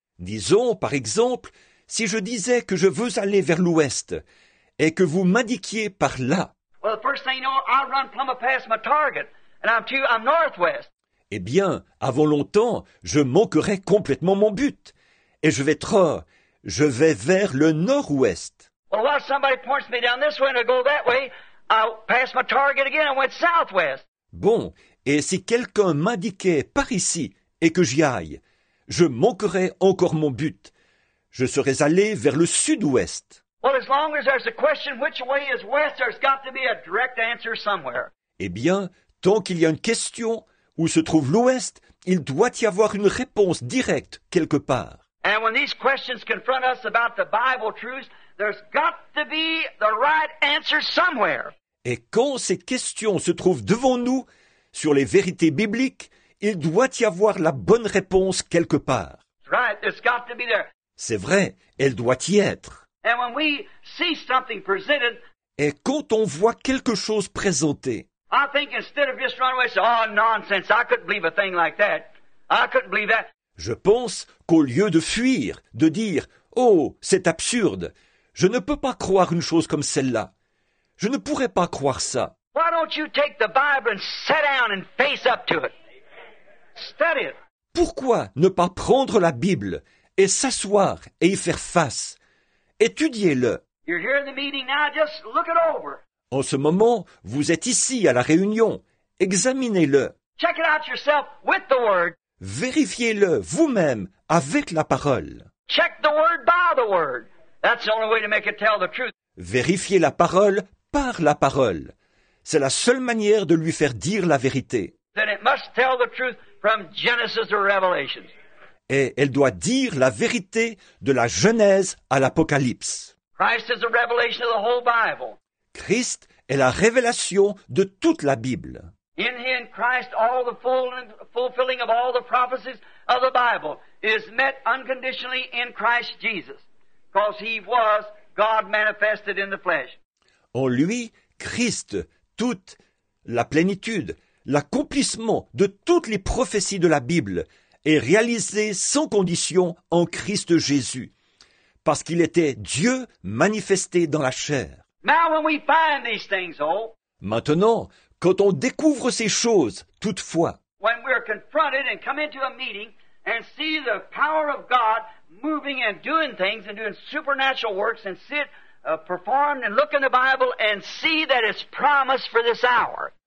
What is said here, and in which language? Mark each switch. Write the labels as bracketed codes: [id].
[fr] Disons, par exemple, si je disais que je veux aller vers l'ouest et que vous m'indiquiez par là. [en] Well, the first thing you know, I run plumb past my target and I'm northwest. [fr] Eh bien, avant longtemps, je manquerai complètement mon but et je vais vers le nord-ouest. [en] Well, while somebody points me down this way and I go that way, I pass my target again and went southwest. [fr] Bon, et si quelqu'un m'indiquait par ici et que j'y aille, je manquerais encore mon but. Je serais allé vers le sud-ouest. [en] Well, as long as there's a question which way is west, there's got to be a direct answer somewhere. [fr] Eh bien, tant qu'il y a une question où se trouve l'ouest, il doit y avoir une réponse directe quelque part. [en] And when these questions confront us about the Bible truths, there's got to be the right answer somewhere. [fr] Et quand ces questions se trouvent devant nous, sur les vérités bibliques, il doit y avoir la bonne réponse quelque part. [en] Right, it's got to be there. [fr] C'est vrai, elle doit y être. [en] And when we see something presented, [fr] et quand on voit quelque chose présenté, [en] I think instead of just running away, say, oh, nonsense, I couldn't believe a thing like that. I couldn't believe that. [fr] Je pense qu'au lieu de fuir, de dire, oh, c'est absurde, je ne peux pas croire une chose comme celle-là. Je ne pourrais pas croire ça. [en] Why don't you take the Bible and sit down and face up to it? Study it. [fr] Pourquoi ne pas prendre la Bible et s'asseoir et y faire face? Étudiez-le. [en] You're here in the meeting now, just look it over. [fr] En ce moment, vous êtes ici à la réunion. Examinez-le. [en] Check it out yourself with the word. [fr] Vérifiez-le vous-même avec la parole. [en] Check the word by the word. That's the only way to make it tell the truth. [fr] Vérifiez la parole par la parole. C'est la seule manière de lui faire dire la vérité. [en] Then it must tell the truth from Genesis to Revelation. [fr] Et elle doit dire la vérité de la Genèse à l'Apocalypse. [en] Christ is the revelation of the whole Bible. [fr] Christ est la révélation de toute la Bible. [en] In him, Christ, all the fulfilling of all the prophecies of the Bible is met unconditionally in Christ Jesus, because he was God manifested in the flesh. [fr] En lui, Christ, toute la plénitude, l'accomplissement de toutes les prophéties de la Bible est réalisé sans condition en Christ Jésus, parce qu'il était Dieu manifesté dans la chair. [en] Now when we find these things, oh, [fr] maintenant, quand on découvre ces choses, toutefois, [en] when we're confronted and come into a meeting and see the power of God moving and doing things and doing supernatural works and sit performed and look in the Bible and see that it's promised for this hour.